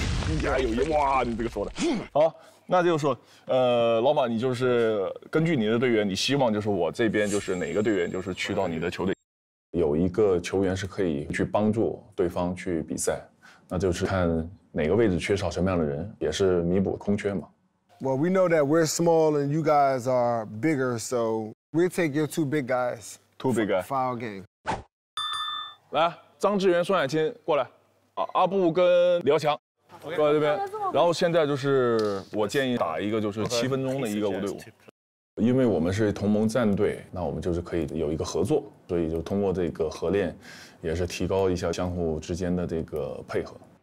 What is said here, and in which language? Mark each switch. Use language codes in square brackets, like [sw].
[zh] 虚假友谊，哇，你这个说的好。那就是说，老马，你就是根据你的队员，你希望就是我这边就是哪个队员就是去到你的球队，有一个球员是可以去帮助对方去比赛，那就是看哪个位置缺少什么样的人，也是弥补空缺嘛。 [en] Well, we know that we're small and you guys are bigger, so we take your two big guys. Two big guys. For our game. [zh] 来，张志源、孙海清过来，阿布跟李耀强。 [en] Okay. [zh] 过来这边，然后现在就是我建议打一个就是七分钟的一个队伍，因为我们是同盟战队，那我们就是可以有一个合作，所以就通过这个合练，也是提高一下相互之间的这个配合。